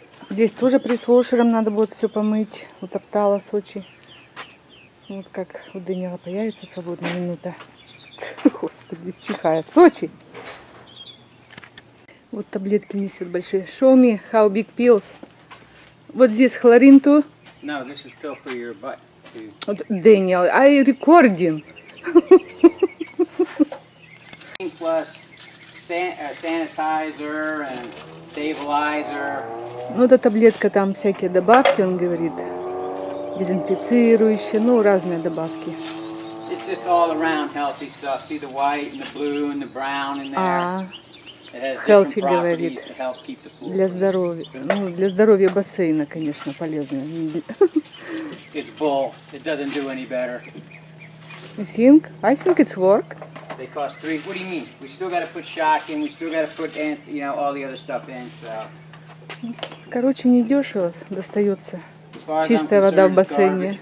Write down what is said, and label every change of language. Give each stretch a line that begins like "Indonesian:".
Russian: Здесь тоже пресс-вошером надо будет все помыть. Утоптала Сочи. Вот как у Даниила появится свободная минута. Господи, чихает. Сочи! Вот таблетки несут большие.
English: Show me how big pills.
Russian: Вот здесь хлорин
English: too. No, this is pill for your butt too.
Russian: Вот,
English: Daniel, I recording. Plus sanitizer and stabilizer.
Russian: Ну, эта таблетка, там всякие добавки, он говорит. Дезинфицирующие, ну, разные добавки.
English: Just all around healthy stuff. See the white and the blue and the brown in there. Healthy
Russian: говорит, для здоровья, ну, для здоровья бассейна, конечно, полезно.
English: It's bull. It doesn't do any better. You think? I think it's work. They cost $3. What do you mean? We still got to put shock in, we still got to put, you know, all the other stuff in, so...
Russian: Короче, не дешево достается чистая вода в бассейне.